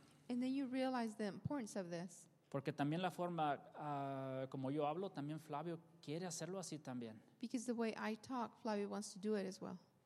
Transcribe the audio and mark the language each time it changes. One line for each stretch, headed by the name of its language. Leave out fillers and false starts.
English: And then you realize the importance of this.
Spanish: Porque también la forma como yo hablo, también Flavio quiere hacerlo así también.
English: Because the way I talk, Flavio wants to do it as well.